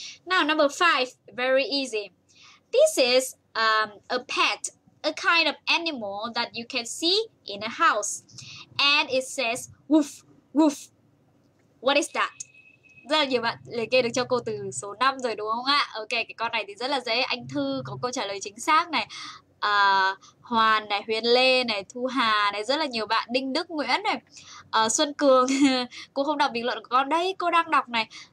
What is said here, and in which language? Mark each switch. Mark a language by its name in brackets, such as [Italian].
[English] Now number 5, very easy. This is a pet, a kind of animal that you can see in a house. And it says woof, woof. What is that? [Vietnamese] Rất là nhiều bạn liệt kê được cho cô từ số 5 rồi đúng không ạ? Ok, cái con này thì rất là dễ. Anh Thư có câu trả lời chính xác này. Hoàn này, Huyền Lê này, Thu Hà này, rất là nhiều bạn. Đinh Đức Nguyễn này, Xuân Cường. Cô không đọc bình luận của con đấy, cô đang đọc này.